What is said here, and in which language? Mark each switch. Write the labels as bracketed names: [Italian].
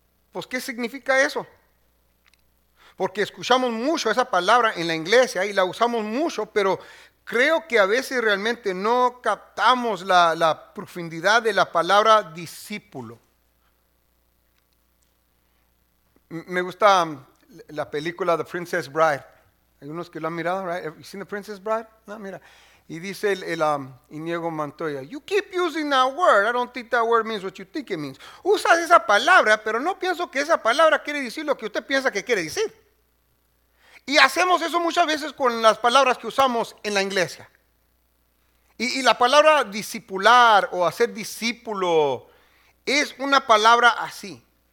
[Spanish] Pues, ¿qué significa eso? Porque escuchamos mucho esa palabra en la iglesia y la usamos mucho, pero creo que a veces realmente no captamos la profundidad de la palabra discípulo. Me gusta la película The Princess Bride. Hay unos que lo han mirado, right? [English] Have you seen The Princess Bride? [Spanish] No, mira. Y dice [English] Iñigo Montoya, you keep using that word, I don't think that word means what you think it means. [Spanish] Usas esa palabra, pero no pienso que esa palabra quiere decir lo que usted piensa que quiere decir. Y hacemos eso muchas veces con las palabras que usamos en la iglesia. Y la palabra discipular o hacer discípulo es una palabra así.